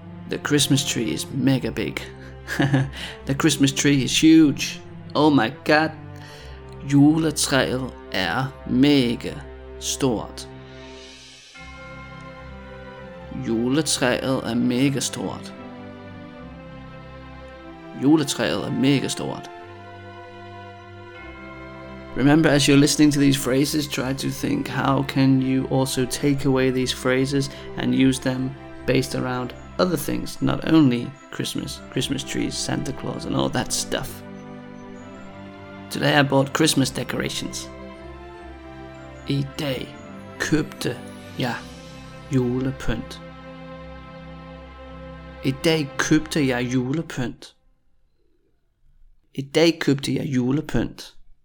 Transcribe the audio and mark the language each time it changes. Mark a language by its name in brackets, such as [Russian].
[English] The Christmas tree is mega big. The Christmas tree is huge. Oh my god. [Danish] Juletræet er mega stort. Juletræet er mega stort. Juletræet er mega stort. [English] Remember, as you're listening to these phrases, try to think, how can you also take away these phrases and use them based around other things, not only Christmas, Christmas trees, Santa Claus, and all that stuff. Today I bought Christmas decorations. [Danish] I dag købte jeg julepynt. I dag købte jeg julepynt. I dag købte jeg julepynt.